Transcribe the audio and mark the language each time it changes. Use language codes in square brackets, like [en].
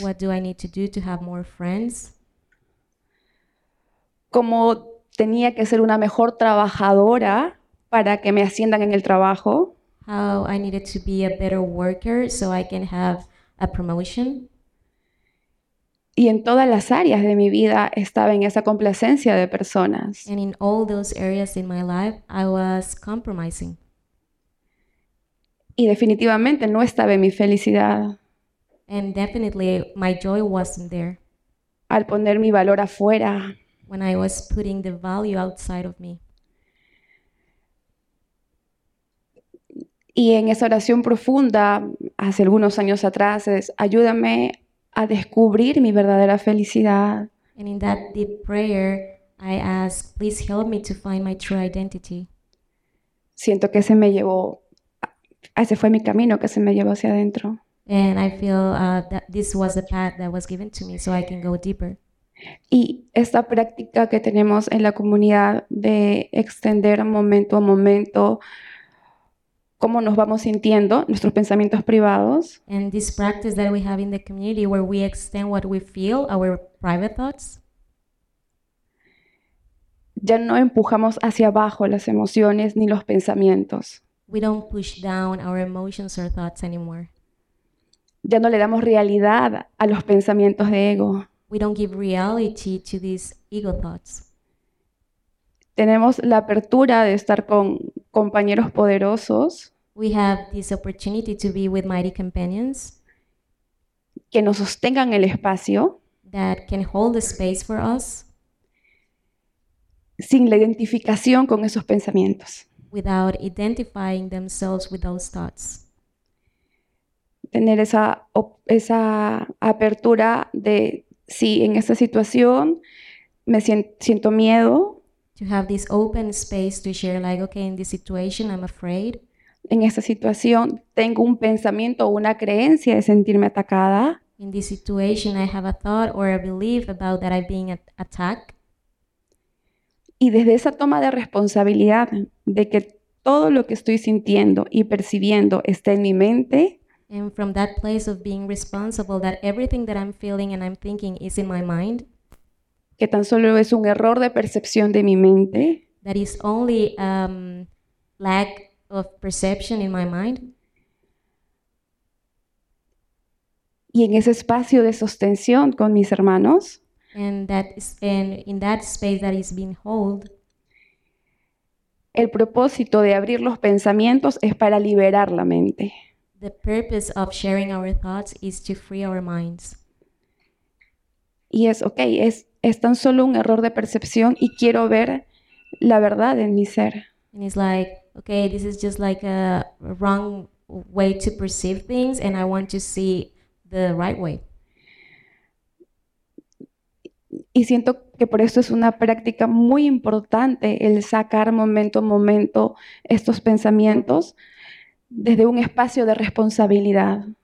[en] What do I need to do to have more friends? [es] ¿Cómo tenía que ser una mejor trabajadora para que me asciendan en el trabajo? [en] How I needed to be a better worker so I can have a promotion. [es] Y en todas las áreas de mi vida estaba en esa complacencia de personas. [en] And in all those areas in my life, I was compromising. [es] Y definitivamente no estaba en mi felicidad. [en] And definitely my joy wasn't there [es] Al poner mi valor afuera. [en] when I was putting the value outside of me. [es] Y en esa oración profunda, hace algunos años atrás, es, ayúdame a descubrir mi verdadera felicidad. [en] And in that deep prayer, I ask, please help me to find my true identity. [es] Siento que se me llevó. Ese fue mi camino que se me llevó hacia adentro. [en] And I feel that this was the path that was given to me so I can go deeper. [es] Y esta práctica que tenemos en la comunidad de extender momento a momento cómo nos vamos sintiendo, nuestros pensamientos privados. [en] And this practice that we have in the community where we extend what we feel, our private thoughts. [es] Ya no empujamos hacia abajo las emociones ni los pensamientos. [en] We don't push down our emotions or thoughts anymore. [es] Ya no le damos realidad a los pensamientos de ego. [en] We don't give reality to these ego thoughts. [es] Tenemos la apertura de estar con compañeros poderosos [en] We have this opportunity to be with mighty companions [es] que nos sostengan el espacio [en] that can hold the space for us [es] sin la identificación con esos pensamientos. [en] without identifying themselves with those thoughts. [es] Tener esa apertura de si sí, en esta situación me siento miedo. [en] To have this open space to share, like, okay, in this situation, I'm afraid. [es] En esta situación tengo un pensamiento o una creencia de sentirme atacada. [en] In this situation, I have a thought or a belief about that I'm being attacked. [es] Y desde esa toma de responsabilidad de que todo lo que estoy sintiendo y percibiendo está en mi mente. [en] And from that place of being responsible, that everything that I'm feeling and I'm thinking is in my mind, [es] Que tan solo es un error de percepción de mi mente. [en] that is only lack of perception in my mind. [es] Y en ese espacio de sostención con mis hermanos, [en] And in that space that is being held, [es] el propósito de abrir los pensamientos es para liberar la mente. [en] the purpose of sharing our thoughts is to free our minds. [es] Y es, ok, es tan solo un error de percepción y quiero ver la verdad en mi ser. [en] And it's like, okay, this is just like a wrong way to perceive things, and I want to see the right way. [es] Y siento que por esto es una práctica muy importante el sacar momento a momento estos pensamientos desde un espacio de responsabilidad.